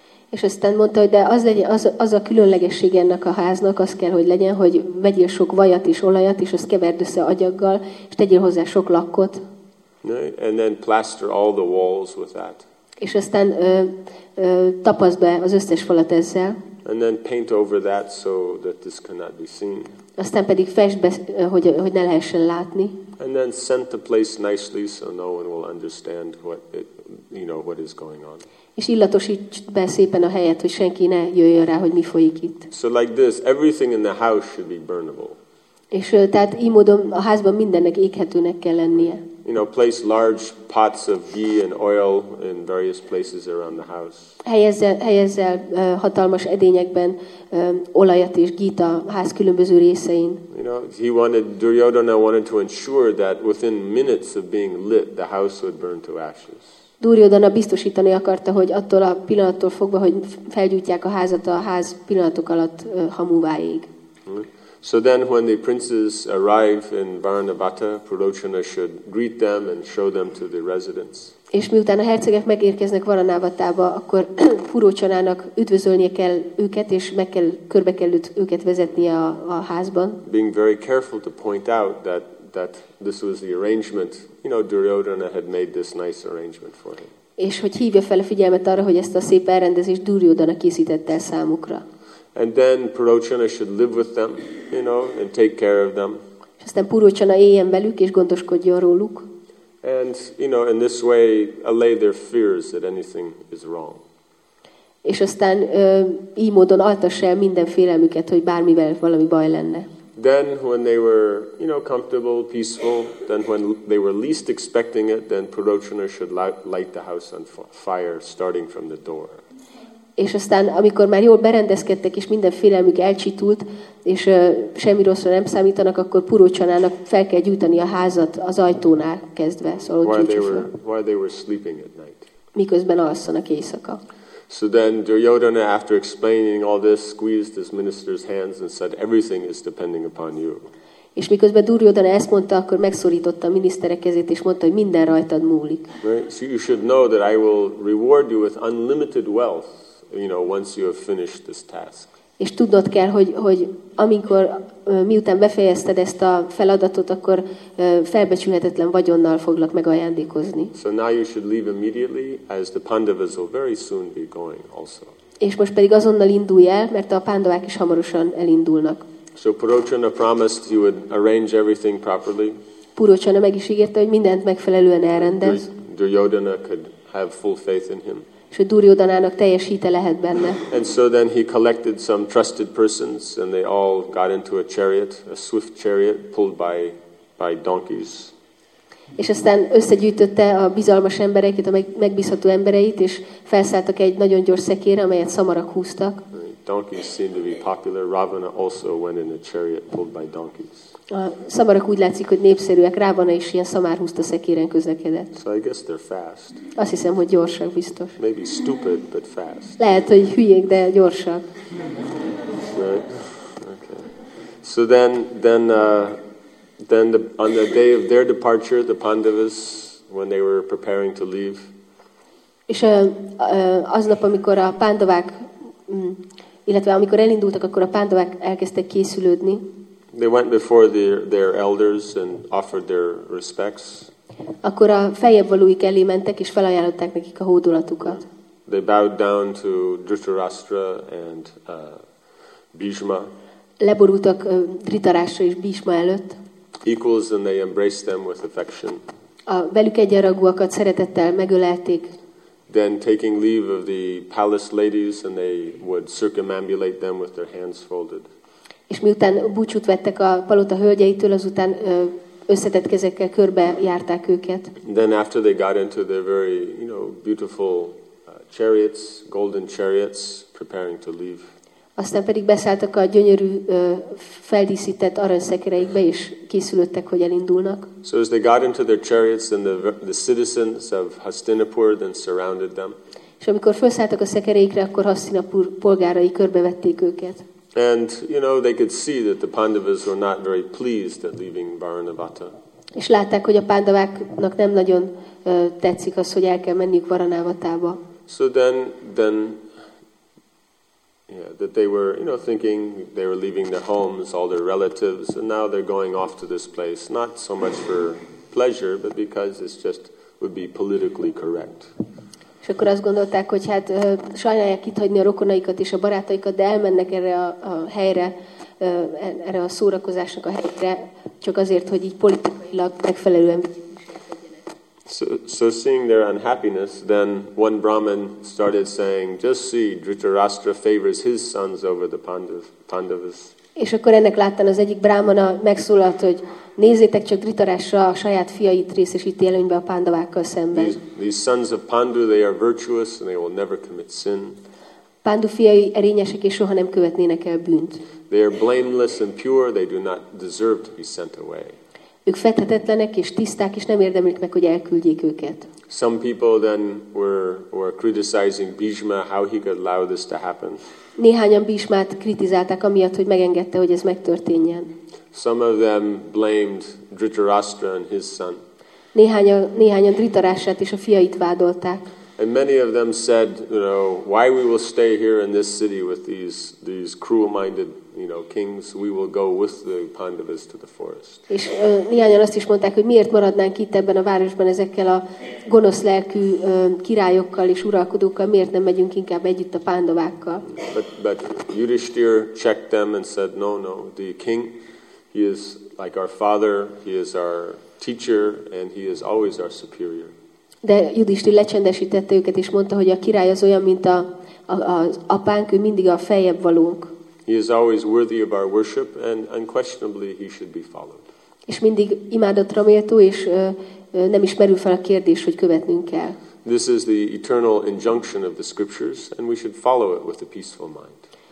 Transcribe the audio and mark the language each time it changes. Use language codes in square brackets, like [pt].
[hu] És aztán mondta, hogy de az a különlegesség ennek a háznak, az kell, hogy legyen, hogy vegyél sok vajat és olajat, és azt keverd össze agyaggal, és tegyél hozzá sok lakkot. [en] And then plaster all the walls with that. [hu] És aztán tapaszd be az összes falat ezzel. [en] And then paint over that so that this cannot be seen. [hu] Aztán pedig festd be, hogy ne lehessen látni. [en] And then scent the place nicely so no one will understand what is going on. [hu] És illatosítsd be szépen a helyet, hogy senki ne jöjjön rá, hogy mi folyik itt. [en] So like this, everything in the house should be burnable. [hu] És tehát így módon a házban mindennek éghetőnek kell lennie. [en] Place large pots of ghee and oil in various places around the house. [hu] Helyezzel hatalmas edényekben olajat és ghee-t a ház különböző részein. [en] Duryodhana wanted to ensure that within minutes of being lit, the house would burn to ashes. [hu] Duryodhana biztosítani akarta, hogy attól a pillanattól fogva, hogy felgyújtják a házat, a ház pillanatok alatt hamúvá ég. [en] So then when the princes arrive in Varanavata, Purocana should greet them and show them to the residence. [hu] És miután a hercegek megérkeznek Varanavatába, akkor Purocanának üdvözölnie kell őket, és körbe kell őket vezetnie a házban. [en] Being very careful to point out that this was the arrangement, Duryodhana had made this nice arrangement for him. [hu] És hogy hívja fel a figyelmet arra, hogy ezt a szép elrendezést Duryodhana készítette el számukra. [en] And then Purocana should live with them, and take care of them. [hu] És aztán Purocana éljen velük és gondoskodjon róluk. [en] And in this way allay their fears that anything is wrong. [hu] És aztán így módon altassa el minden félelmüket, hogy bármivel valami baj lenne. [en] Then when they were, comfortable, peaceful, then when they were least expecting it, then Purocana should light the house on fire starting from the door. [hu] És aztán, amikor már jól berendezkedtek, és minden félelmük elcsitult, és semmi rosszra nem számítanak, akkor Purocanának fel kell gyújtani a házat az ajtónál kezdve. Szóval [en] while they were sleeping at night. [hu] Miközben alszanak éjszaka. [en] So then Duryodhana, after explaining all this, squeezed his minister's hands and said, "Everything is depending upon you." [hu] És miközben Duryodhana ezt mondta, akkor megszorította a miniszterek kezét, és mondta, hogy minden rajtad múlik. [en] Right? So you should know that I will reward you with unlimited wealth, you know, once you have finished this task. [hu] És tudnod kell, hogy amikor miután befejezted ezt a feladatot, akkor felbecsülhetetlen vagyonnal foglak megajándékozni. [en] So now you should leave immediately, as the Pandavas will very soon be going also. [hu] És most pedig azonnal indulj el, mert a Pandavák is hamarosan elindulnak. [en] So Purocsana promised he would arrange everything properly. [hu] Purocsana meg is ígérte, hogy mindent megfelelően elrendez. [en] Duryodhana could have full faith in him. [hu] És a Duryodhanának teljes hite lehet benne. [en] And so then he collected some trusted persons, and they all got into a chariot, a swift chariot pulled by donkeys. [hu] És aztán összegyűjtötte a bizalmas embereket, a megbízható embereit, és felszálltak egy nagyon gyors szekére, amelyet szamarak húztak. [en] Donkeys seemed to be popular. Ravana also went in a chariot pulled by donkeys. [hu] A szamarak úgy látszik, hogy népszerűek. Ravana is ilyen szamárhúzta szekéren közlekedett. [en] So I guess they're fast. [hu] Azt hiszem, hogy gyorsak, biztos. [en] Maybe stupid, but fast. [hu] Lehet, hogy hülyék, de gyorsak. [en] Right. Okay. So then on the day of their departure, the Pandavas, when they were preparing to leave. [hu] És aznap, amikor a Pandavák illetve amikor elindultak, akkor a Pandavák elkezdtek készülődni. [en] They went before their elders and offered their respects. [hu] Akkor a feljebbvalóik elé mentek és felajánlották nekik a hódolatukat. [en] They bowed down to Dhritarashtra and Bhishma. [hu] Leborultak Dhritarashtra és Bhishma előtt. [en] Equals, and they embraced them with affection. [hu] A velük egyenrangúakat szeretettel megölelték. [en] Then taking leave of the palace ladies, and they would circumambulate them with their hands folded. [hu] És miután búcsút vettek a palota hölgyeitől, azután összetett kezekkel körbe járták őket. [en] Then after they got into their very, you know, beautiful chariots, golden chariots, preparing to leave. [hu] Aztán pedig beszálltak a gyönyörű feldíszített aranyszekereikbe, és készülődtek, hogy elindulnak. [en] So as they got into their chariots, then the citizens of Hastinapur then surrounded them. [hu] És amikor felszálltak a szekereikre, akkor Hastinapur polgárai körbevették őket. [en] And you know, they could see that the Pandavas were not very pleased at leaving Varanavata. [hu] És látták, hogy a Pandaváknak nem nagyon tetszik az, hogy el kell menniük Varanavatába. [en] So then yeah, that they were, you know, thinking they were leaving their homes, all their relatives, and now they're going off to this place, not so much for pleasure, but because it's just would be politically correct. [hu] És akkor azt gondolták, hogy hát sajnálják itthagyni a rokonaikat és a barátaikat, de elmennek erre a helyre, erre a szórakozásnak a helyre, csak azért, hogy így politikailag megfelelően. [en] So seeing their unhappiness, then one Brahmin started saying, "Just see, Dhritarashtra favors his sons over the Pandavas." [hu] És akkor ennek láttán az egyik brahmana megszólalt, hogy nézzétek csak, Dhritarashtra a saját fiait részesíti előnybe a Pandavákkal szemben. [en] These sons of Pandu, they are virtuous and they will never commit sin. [hu] Pandu fiai erényesek és soha nem követnének el bűnt. [en] They are blameless and pure, they do not deserve to be sent away. [hu] Ők fethetetlenek és tiszták, és nem érdemlik meg, hogy elküldjék őket. [en] Some people then were criticizing Bhishma, how he could allow this to happen. [hu] Néhányan Bhishmát kritizálták amiatt, hogy megengedte, hogy ez megtörténjen. [en] Some of them blamed Dhritarashtra and his son. [hu] Néhányan Dhritarashtrát és a fiait vádolták. [en] And many of them said, you know, why we will stay here in this city with these cruel-minded, you know, kings, we will go with the Pandavas to the forest. [hu] És néhányan azt is mondták, hogy miért maradnánk itt ebben a városban ezekkel a gonosz lelkű királyokkal és uralkodókkal, miért nem megyünk inkább együtt a Pandavákkal? [en] But Yudhishthir checked them and said, no, the king, he is like our father, he is our teacher, and he is always our superior. [hu] De Yudhishthir lecsendesítette őket és mondta, hogy a király az olyan, mint az apánk, ő mindig a feljebb valónk. [en] He is always worthy of our worship, and unquestionably he should be followed. [hu] És mindig imádatra méltó, és nem is merül fel a kérdés, hogy követnünk kell. [en] This is the eternal injunction of the scriptures, and we should follow it with a peaceful mind.